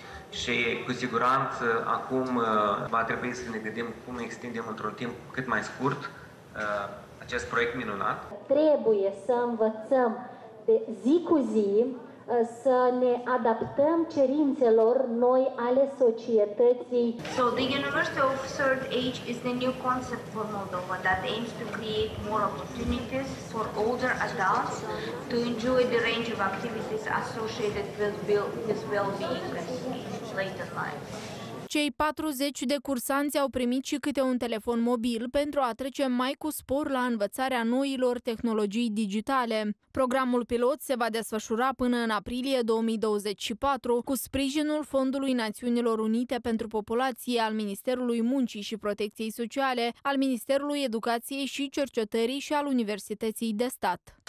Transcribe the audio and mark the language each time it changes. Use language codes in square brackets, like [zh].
[ro] Și cu siguranță acum va trebui să ne gândim cum extindem într-un timp cât mai scurt acest proiect minunat. Trebuie să învățăm de zi cu zi, să ne adaptăm cerințelor noi ale societății. [en] So the University of Third Age is the new concept for Moldova that aims to create more opportunities for older adults to enjoy the range of activities associated with well-being later life. [ro] Cei 40 de cursanți au primit și câte un telefon mobil pentru a trece mai cu spor la învățarea noilor tehnologii digitale. Programul pilot se va desfășura până în aprilie 2024 cu sprijinul Fondului Națiunilor Unite pentru Populație al Ministerului Muncii și Protecției Sociale, al Ministerului Educației și Cercetării și al Universității de Stat.